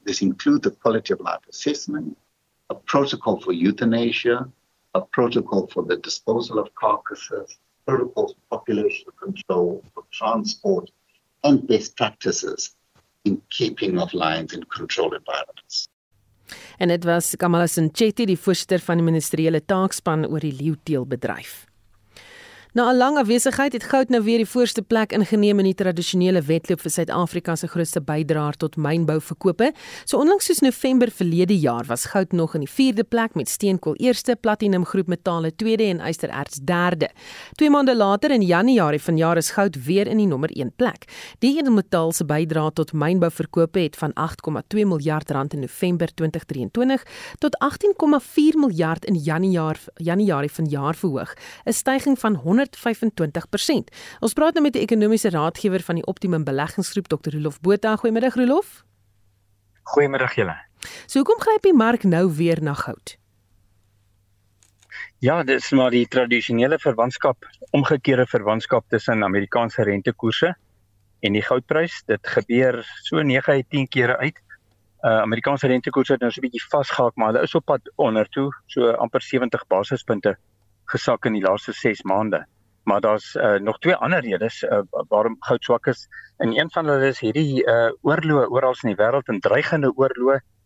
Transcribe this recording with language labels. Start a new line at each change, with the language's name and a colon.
English: This includes the quality of life assessment, a protocol for euthanasia, a protocol for the disposal of carcasses, protocols for population control, for transport, and best practices in keeping of lions in controlled environments.
Afrikaans: En dit was Kamala Sanchetti, die voorsitter van die ministeriële taakspan oor die leeuteelbedryf. Na 'n lang afwesigheid het goud nou weer die voorste plek ingeneem in die tradisionele wedloop vir Suid-Afrika se grootste bydraer tot mynbouverkope. So onlangs soos November verlede jaar was goud nog in die 4de plek met steenkool eerste, platinum groep metale tweede en ystererts derde. Twee maande later in Januarie vanjaar is goud weer in die nommer 1 plek. Die edelmetaal se bydrae tot mynbouverkope het van 8,2 miljard rand in November 2023 tot 18,4 miljard in Januarie vanjaar verhoog, 'n stygings van 125%. Ons praat nou met die ekonomiese raadgewer van die Optimum Beleggingsgroep, Dr. Roelof Botha. Goeiemiddag, Roelof. Goeiemiddag, julle. So, hoekom gryp die mark nou weer na goud? Ja, dit is maar die traditionele verwantskap, omgekeerde verwantskap tussen Amerikaanse rentekoerse en die goudprys. Dit gebeur so 9 uit 10 kere uit. Amerikaanse rentekoerse het nou so 'n bietjie vasgehaak, maar hulle is op pad onder toe, so amper 70 basispunte gesak in die laaste 6 maande. Maar daar's nog twee ander redes waarom goud swak is. En een van hulle is hierdie oorloë oral in die wêreld en dreigende oorloë.